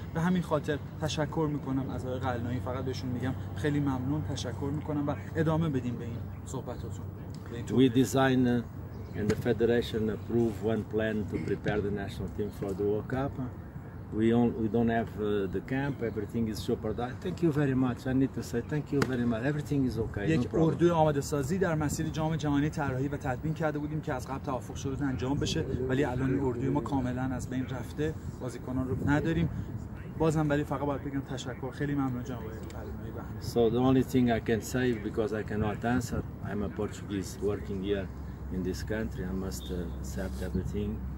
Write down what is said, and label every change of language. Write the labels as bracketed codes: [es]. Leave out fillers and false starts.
[fa] به همین خاطر تشکر میکنم از آقای قلنایی، فقط بهشون میگم خیلی ممنون، تشکر میکنم و ادامه بدیم به این صحبتاتون. [en] We design and the federation approved one plan to prepare the national team for the World Cup. We don't have the camp, everything is super. Thank you very much. I need to say thank you very much. Everything is okay. [fa] یک اردو آماده سازی در مسیر جام جهانی طراحی و تدوین کرده بودیم که از قبل توافق شده انجام بشه، ولی الان اردو ما کاملا از بین رفته، بازیکنان رو نداریم. بازم ولی فقط باید بگم تشکر، خیلی ممنون جناب آقای قلعه‌ای. [en] So the only thing I can say because I cannot answer, I'm a Portuguese working here in this country, I must accept everything.